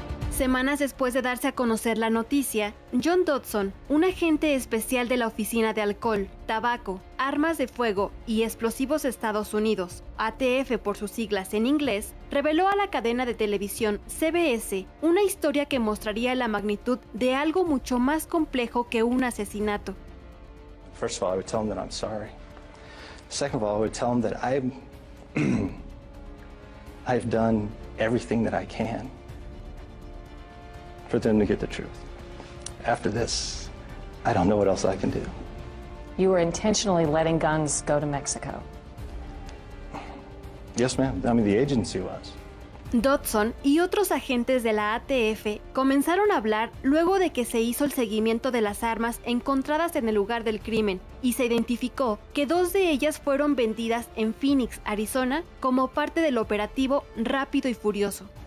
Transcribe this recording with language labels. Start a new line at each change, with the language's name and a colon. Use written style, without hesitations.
Spanish: Semanas después de darse a conocer la noticia, John Dodson, un agente especial de la Oficina de Alcohol, Tabaco, Armas de Fuego y Explosivos de Estados Unidos, ATF por sus siglas en inglés, reveló a la cadena de televisión CBS una historia que mostraría la magnitud de algo mucho más complejo que un asesinato.
English: First of all, I would tell him that I'm sorry. Second of all, I would tell him that I've done everything that I can for them to get the truth. After this, I don't know what else I can do. You were intentionally letting guns go to Mexico. Yes, ma'am. I mean, the agency was.
Spanish: Dodson y otros agentes de la ATF comenzaron a hablar luego de que se hizo el seguimiento de las armas encontradas en el lugar del crimen y se identificó que dos de ellas fueron vendidas en Phoenix, Arizona, como parte del operativo Rápido y Furioso.